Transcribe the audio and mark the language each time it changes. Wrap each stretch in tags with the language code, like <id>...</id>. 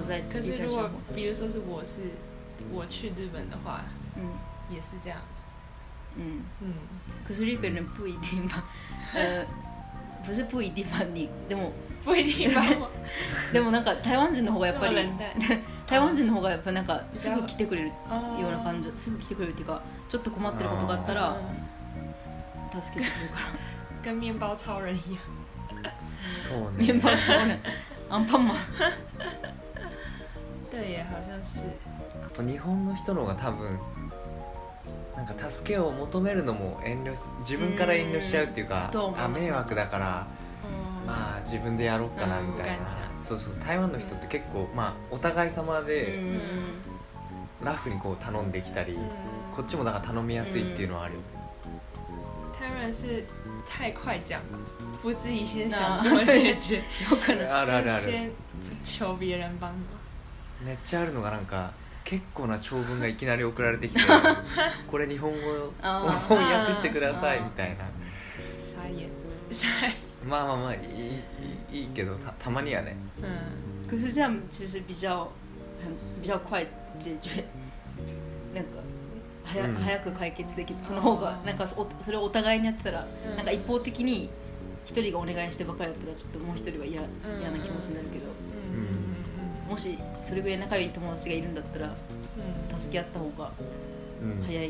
<zh>在可是如果比如说是我是我去日本的话、嗯、也是这样、嗯嗯、可是日本人不一定吧不是不一定吧你</zh> <ja>でも</ja> <zh>不一定吧</zh> <ja>でもなんか台湾人の方がやっぱり台湾人の方がやっぱなんかすぐ来てくれるような感じ、すぐ来てくれるっていうか、ちょっと困ってることがあったら助けてくれるから、</ja> <zh>跟麵包超人一樣。</zh> <ja>そうね、麵包超人、アンパンマン</ja> <zh>对耶、好像是。</zh> <ja>あと日本の人の方が多分なんか助けを求めるのも遠慮、自分から遠慮しちゃうっていうか、あ、迷惑だからまあ自分でやろうかなみたいな。そうそう、台湾の人って結構、まあ、お互い様でラフにこう頼んできたり、こっちもだから頼みやすいっていうのはある。</ja> <zh>台湾是太快讲了，不自己先想怎么解决，有可能就先求别人帮忙。</zh> <ja>めっちゃあるのがなんか結構な長文がいきなり送られてきて、これ日本語を翻訳してくださいみたいな。</ja> <zh>傻眼。</zh> <ja>まあまあまあ、いいけど、たまにはね。うん。</ja> <zh>可是这样其实比较很比较快解决。</zh> <ja>なんか早く解決できる、その方がなんかそれをお互いにやってたら、なんか一方的に一人がお願いしてばかりだったらちょっともう一人は嫌な気持ちになるけど、うん、もしそれぐらい仲良い友達がいるんだったら、うん、助け合った方が早い、</ja>